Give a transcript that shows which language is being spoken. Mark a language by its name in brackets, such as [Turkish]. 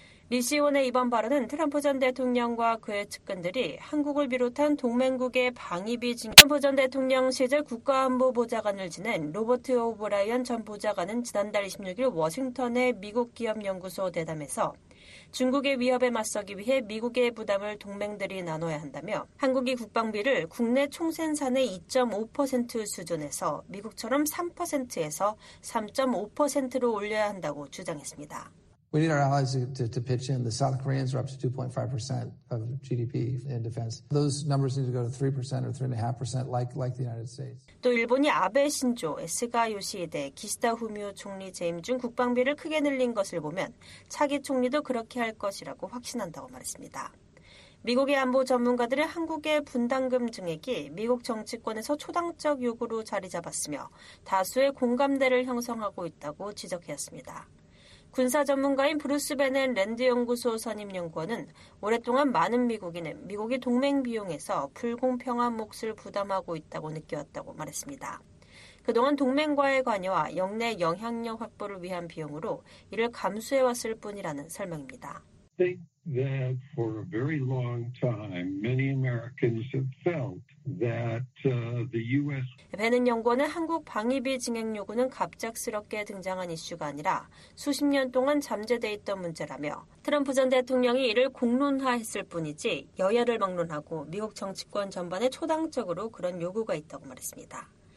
[Korean] 리 씨원의 이번 발언은 트럼프 전 대통령과 그의 측근들이 한국을 비롯한 동맹국의 방위비 증액 트럼프 전 대통령 시절 국가안보보좌관을 지낸 로버트 오브라이언 전 보좌관은 지난달 26일 워싱턴의 미국 기업연구소 대담에서 중국의 위협에 맞서기 위해 미국의 부담을 동맹들이 나눠야 한다며 한국이 국방비를 국내 총생산의 2.5% 수준에서 미국처럼 3%에서 3.5%로 올려야 한다고 주장했습니다. [English] We need our allies to pitch in. The South Koreans are up to 2.5% of GDP in defense. Those numbers need to go to 3% or 3.5% like the United States. [Korean] 또 일본이 아베 신조, 에스가 요시히데, 기시다 후미오 총리 재임 중 국방비를 크게 늘린 것을 보면 차기 총리도 그렇게 할 것이라고 확신한다고 말했습니다. 미국의 안보 전문가들은 한국의 분담금 증액이 미국 정치권에서 초당적 요구로 자리 잡았으며 다수의 공감대를 형성하고 있다고 지적했습니다. 군사 전문가인 브루스 베넨 랜드 연구소 선임 연구원은 오랫동안 많은 미국인은 미국이 동맹 비용에서 불공평한 몫을 부담하고 있다고 느꼈다고 말했습니다. 그동안 동맹과의 관여와 영내 영향력 확보를 위한 비용으로 이를 감수해 왔을 뿐이라는 설명입니다. [English] Think that for a very long time, many Americans have felt that the U.S. [Korean] 베넨 연구원은 한국 방위비 증액 요구는 갑작스럽게 등장한 이슈가 아니라 수십 년 동안 잠재돼 있던 문제라며 트럼프 전 대통령이 이를 공론화했을 뿐이지 여야를 막론하고 미국 정치권 전반에 초당적으로 그런 요구가 있다고 말했습니다.